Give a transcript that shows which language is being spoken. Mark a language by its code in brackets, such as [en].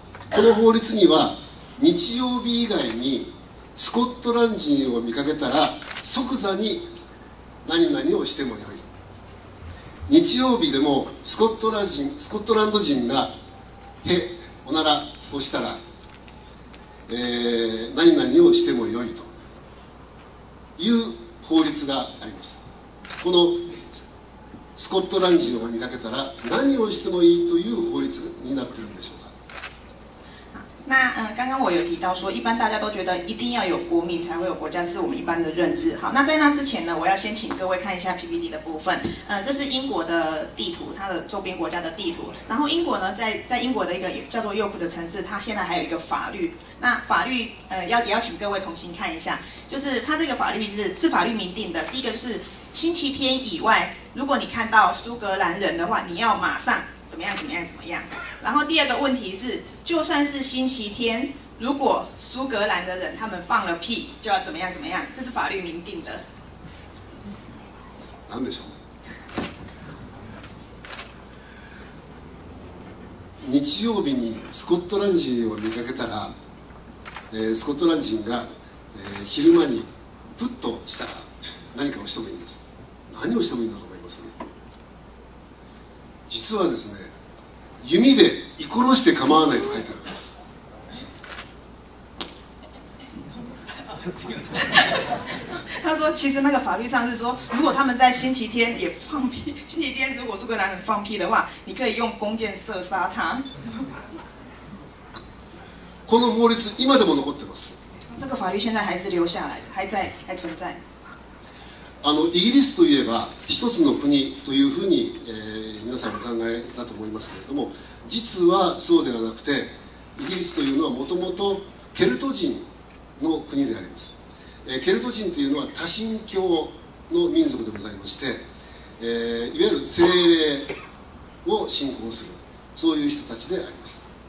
[ja] この法律には、日曜日以外にスコットランド人を見かけたら即座に何々をしてもよい、日曜日でもスコットランド人がへ、おならをしたら、何々をしてもよいという法律があります。このスコットランド人を見かけたら何をしてもいいという法律になっているんでしょうか。 [zh] 那刚刚我有提到说，一般大家都觉得一定要有国民才会有国家，这是我们一般的认知。好，那在那之前呢，我要先请各位看一下 PPT 的部分。这是英国的地图，它的周边国家的地图。然后英国呢，在英国的一个叫做 York 的城市，它现在还有一个法律。那法律要请各位同心看一下，就是它这个法律是法律明定的。第一个就是星期天以外，如果你看到苏格兰人的话，你要马上怎么样怎么样怎么样。然后第二个问题是，就算是星期天，如果苏格兰的人他们放了屁，就要怎么样怎么样，这是法律明定的。 [ja] 何でしょう。日曜日にスコットランド人を見かけたら、スコットランド人が、昼間にプッとしたら何かをしてもいいんです。何をしてもいいんだと思います。実はですね、弓で射殺して構わないと書いてあるんです。 [zh] 他说，其实那个法律上是说，如果他们在星期天也放屁，星期天如果苏格兰人放屁的话，你可以用弓箭射杀他。 [ja] この法律今でも残ってます。 [zh] 这个法律现在还是留下来，还存在。 [ja] イギリスといえば一つの国というふうに、皆さんお考えだと思いますけれども、実はそうではなくて、イギリスというのはもともとケルト人の国であります。ケルト人というのは多神教の民族でございまして、いわゆる精霊を信仰する、そういう人たちであります。